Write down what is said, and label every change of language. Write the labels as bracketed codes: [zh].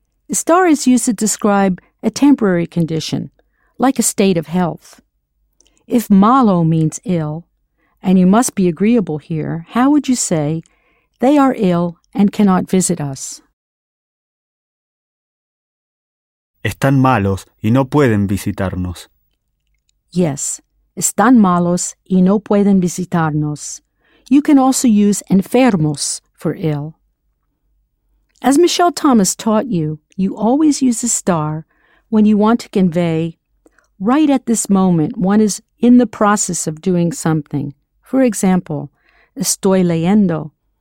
[en] Estar is used to describe a temporary condition, like a state of health. If malo means ill, and you must be agreeable here, how would you say, they are ill and cannot visit us? [es] Están malos y no pueden visitarnos. [en] Yes, [es] están malos y no pueden visitarnos. [en] You can also use enfermos for ill. As Michelle Thomas taught you, you always use a star when you want to convey, right at this moment, one is in the process of doing something. For example, [es] estoy leyendo.